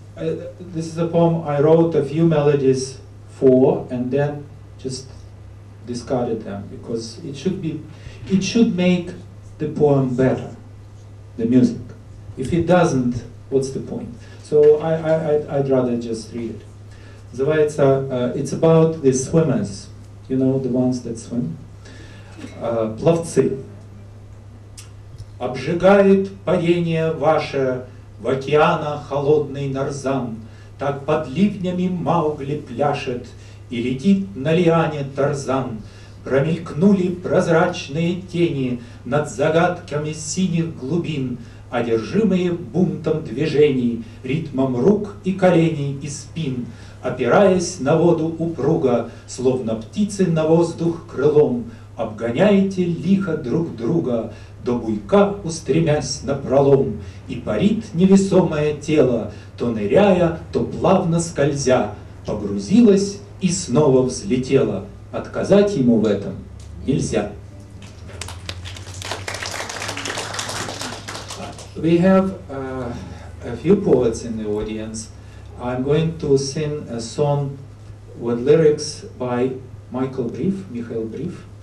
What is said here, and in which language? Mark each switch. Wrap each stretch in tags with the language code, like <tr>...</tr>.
<en>This is a poem I wrote a few melodies for and then just discarded them because it should make the poem better, the music. If it doesn't, what's the point? So I'd rather just read it. Называется, it's about the swimmers, you know, the ones that swim.</en> <ru>Пловцы. Обжигает парение ваше в океана холодный нарзан, так под ливнями Маугли пляшет и летит на лиане тарзан. Промелькнули прозрачные тени над загадками синих глубин, одержимые бунтом движений, ритмом рук и коленей и спин, опираясь на воду упруга, словно птицы на воздух крылом, обгоняете лихо друг друга, до буйка устремясь напролом, и парит невесомое тело, то ныряя, то плавно скользя, погрузилась и снова взлетела. Отказать ему в этом нельзя.</ru> <en>We have a few poets in the audience. I'm going to sing a song with lyrics by Mikhail Brief.</en>